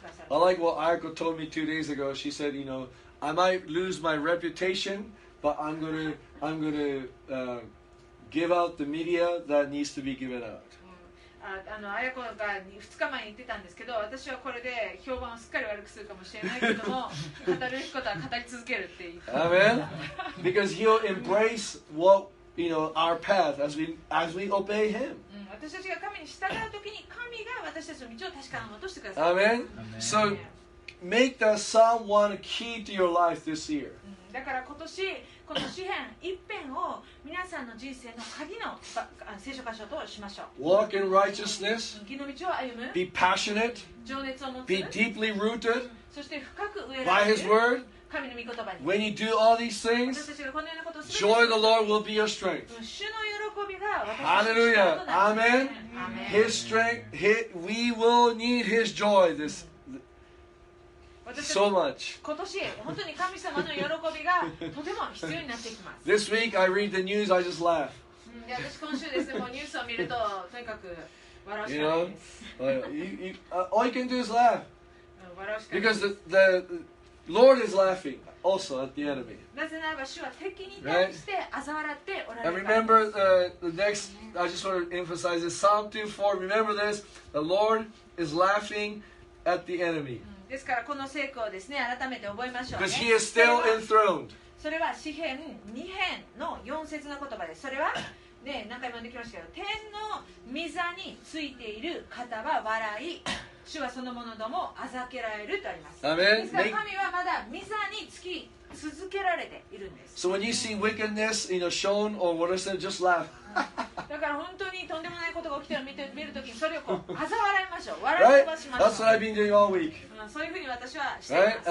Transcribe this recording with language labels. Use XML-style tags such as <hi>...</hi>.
<en>I like what Ayako told me 2 days ago. She said, you know, I might lose my reputation, but I'm gonna give out the media that needs to be given out.</en> <ja>Ayako が2日前に言ってたんですけど、私はこれで評判をすっかり悪くするかもしれないけども、語るべきことは語り続けるって言って。</ja> <en>Amen. Because he'll embrace what, you know, our path as we obey him.</en> <ja>私たちが神に従うときに神が私たちの道を確かなものとしてください</ja> <en>。 Amen. So make that Psalm 1 key to your life this year.</en> <ja>だから今年この詩編一編を皆さんの人生の鍵の聖書箇所としましょう。</ja> <en>Walk in righteousness.</en> <ja>義の道を歩む。</ja> <en>Be passionate.</en> <ja>情熱を持つ。</ja> <en>Be deeply rooted.</en> <ja>そして深く植えられ</ja> <en>る。By His word.</en> <ja>神の御言葉に。</ja> <en>When you do all these things,</en> <ja>私たちがこのようなことをする。</ja> <en>Joy of the Lord will be your strength.</en> <ja>主の喜びが私たちの力となる。</ja> <en>Hallelujah. Amen. His strength, we will need His joy this so much.</en> <ja>今年、本当に神様の喜びがとても必要になってきます。</ja> <en>This week, I read the news, I just laugh.</en> <ja>私今週ですね、もうニュースを見ると、とにかく笑うしかないです。</ja> <en>You know, all you can do is laugh.</en> <ja>笑うしかないです。</ja> <en>Because the Lord is laughing also at the enemy.</en> <ja>なぜならば主は敵に対して嘲笑っておられる。</ja> <en>And remember the next, I just want to emphasize this, Psalm 24, remember this, the Lord is laughing at the enemy.</en> <ja>ですからこの聖句をですね、改めて覚えましょうね。</ja> <en>Because he is still enthroned.</en> <ja>それは詩編2編の4節の言葉です。それは、ね、何回も読んできましたけど、天の御座についている方は笑い。主はそのもののもあざけられるとあります。アメン。神はまだ御座につき続けられているんです。</ja> <en>So when you see wickedness, you know, shown or what is it, just laugh.</en> <ja>だから本当にとんでもないことが起きてるのを見るときにそれをこうあざ笑いましょう。笑い飛ばしましょう。</ja> <en>That's what I've been doing all week.</en> <ja>そういうふうに私はしています。</ja>